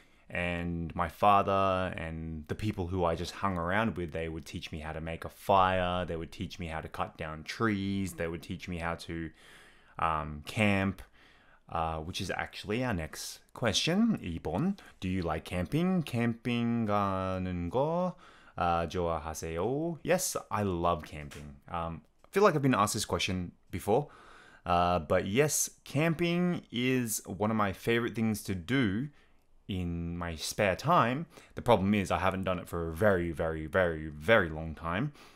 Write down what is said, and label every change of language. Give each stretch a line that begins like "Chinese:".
English: And my father and the people who I just hung around with, they would teach me how to make a fire. They would teach me how to cut down trees. They would teach me how to camp, which is actually our next question.
Korean: 2번,
English: do you like camping?
Korean: 캠핑 가는 거 좋아하세요?
English: Yes, I love camping. I feel like I've been asked this question before, but yes, camping is one of my favorite things to do in my spare time. The problem is I haven't done it for a very, very, very, very long time.